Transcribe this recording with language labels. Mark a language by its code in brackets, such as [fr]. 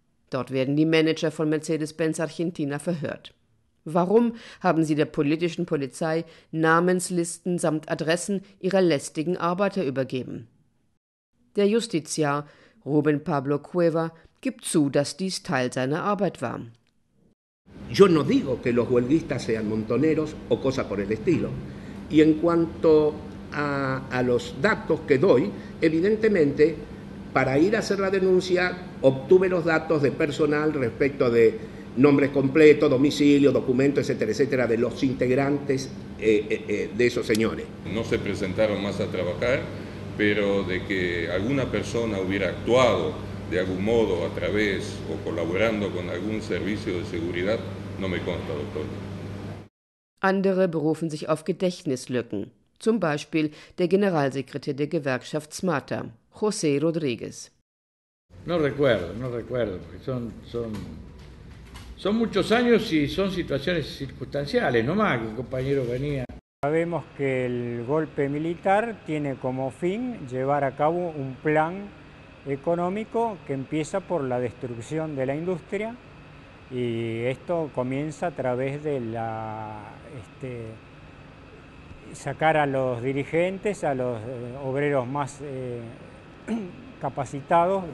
[de] Dort werden die Manager von Mercedes-Benz Argentina verhört. Warum haben sie der politischen Polizei Namenslisten samt Adressen ihrer lästigen Arbeiter übergeben? Der Justiziar Ruben Pablo Cueva gibt zu, dass dies Teil seiner Arbeit war. [es] Yo no digo que los huelguistas sean montoneros o cosa por el estilo. Y en cuanto a los datos que doy, evidentemente, para ir a hacer la denuncia, obtuve los datos de personal respecto de nombres completos, domicilio, documento, etcétera, etcétera, de los integrantes de esos señores. No se presentaron más a trabajar, pero de que alguna persona hubiera actuado de algún modo, a través o colaborando con algún servicio de seguridad, no me consta, doctor. [de] Andere berufen sich auf Gedächtnislücken. Zum Beispiel der Generalsekretär der Gewerkschaft SMATA, José Rodríguez. [es] No recuerdo, no recuerdo, porque son muchos años y son situaciones circunstanciales, no más que el compañero venía. Sabemos que el golpe militar tiene como fin llevar a cabo un plan económico que empieza por la destrucción de la industria y esto comienza a través de la sacar a los dirigentes, a los obreros más capacitados.